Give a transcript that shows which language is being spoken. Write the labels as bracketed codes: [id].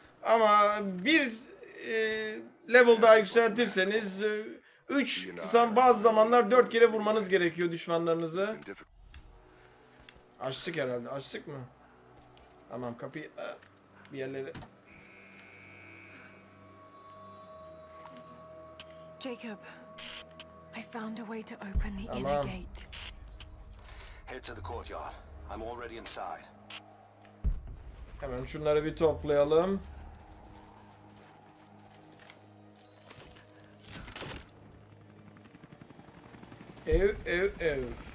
[tr] Ama bir level daha yükseltirseniz 3, bazı zamanlar 4 kere vurmanız gerekiyor düşmanlarınızı. Açtık herhalde. Açtık mı? Tamam, kapıyı bir yerlere. [en] Jacob, I found a way to open the inner gate. Head to the courtyard. I'm already inside. [tr] Hemen şunları bir toplayalım. Ev.